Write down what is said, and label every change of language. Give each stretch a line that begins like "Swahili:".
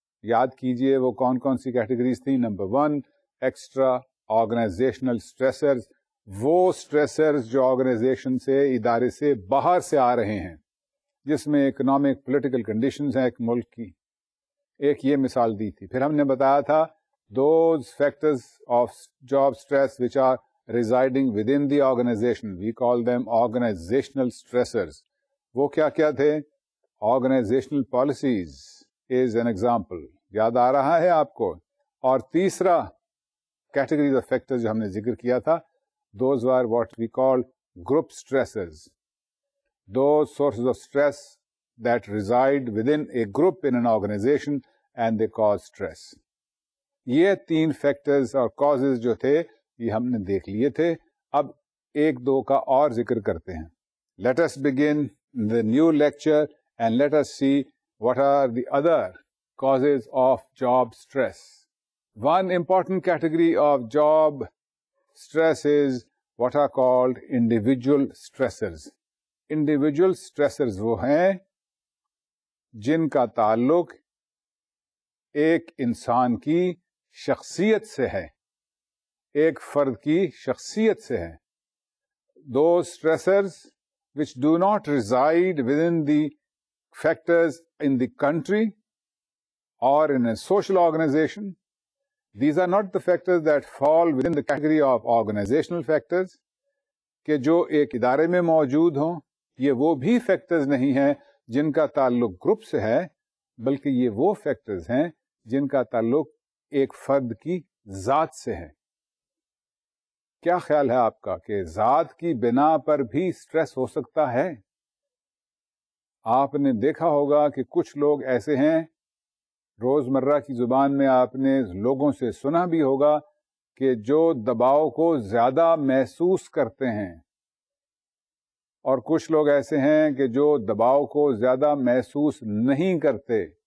Urdu: یاد کیجئے وہ کون کون سی کیٹیگریز تھیں. نمبر 1, ایکسٹرا آرگنائزیشنل اسٹریسرز, وہ اسٹریسرز جو آرگنائزیشن سے, ادارے سے باہر سے آ رہے ہیں, جس میں اکنامک پولیٹیکل کنڈیشنز ہیں ایک ملک کی. ایک یہ مثال دی تھی. پھر ہم نے بتایا تھا
English: those factors of job stress which are residing within the organization, we call them organizational stressors.
Urdu: وہ کیا کیا تھے؟
English: Organizational policies is an example.
Urdu: یاد آ رہا ہے آپ کو؟ اور تیسرا
English: categories of factors
Urdu: جو ہم نے ذکر کیا تھا,
English: those were what we call group stressors. Those sources of stress that reside within a group in an organization and they cause stress.
Urdu: یہ تین factors اور causes جو تھے یہ ہم نے دیکھ لیے تھے. اب ایک دو کا اور ذکر کرتے ہیں.
English: Let us begin the new lecture and let us see what are the other causes of job stress. One important category of job stress is what are called individual stressors.
Urdu: Individual stressors وہ ہیں جن کا تعلق ایک انسان کی شخصیت سے ہے, ایک فرد کی شخصیت سے ہے.
English: Those stressors which do not reside within the factors in the country or in a social organization, these are not the factors that fall within the category of organizational factors.
Urdu: کہ جو ایک ادارے میں موجود ہوں یہ وہ بھی factors نہیں ہیں جن کا تعلق گروپ سے ہے, بلکہ یہ وہ factors ہیں جن کا تعلق ایک فرد کی ذات سے ہے. کیا خیال ہے آپ کا کہ ذات کی بنا پر بھی سٹریس ہو سکتا ہے؟ آپ نے دیکھا ہوگا کہ کچھ لوگ ایسے ہیں, روزمرہ کی زبان میں آپ نے لوگوں سے سنا بھی ہوگا کہ جو دباؤ کو زیادہ محسوس کرتے ہیں, اور کچھ لوگ ایسے ہیں کہ جو دباؤ کو زیادہ محسوس نہیں کرتے.